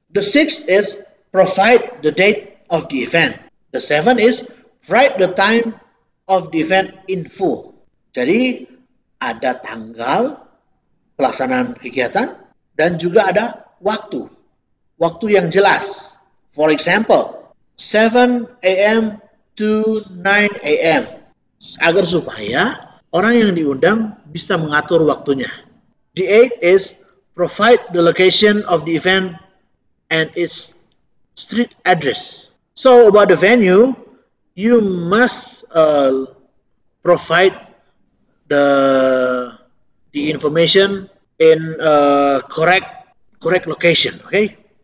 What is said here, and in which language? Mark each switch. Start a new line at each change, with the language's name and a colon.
English: The sixth is provide the date of the event. The seventh is write the time of the event in full.
Indonesian: Jadi ada tanggal pelaksanaan kegiatan dan juga ada waktu. Waktu yang jelas.
English: For example, 7 a.m. to 9 a.m.
Indonesian: agar supaya orang yang diundang bisa mengatur waktunya.
English: The eighth is provide the location of the event and its street address. So about the venue, you must provide the information in correct location, okay?